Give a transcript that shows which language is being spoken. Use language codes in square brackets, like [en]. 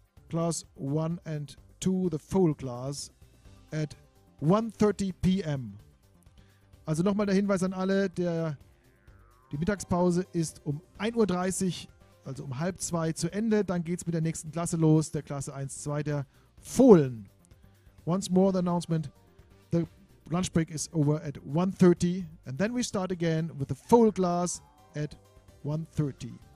[en] Class 1 and 2, the full class, at 1:30 p.m. [de] Also nochmal der Hinweis an alle, die Mittagspause ist um 1.30 Uhr, also um 1:30 zu Ende. Dann geht's mit der nächsten Klasse los, der Klasse 1-2 der Fohlen. [en] Once more the announcement, the lunch break is over at 1:30 and then we start again with the full class at 1:30.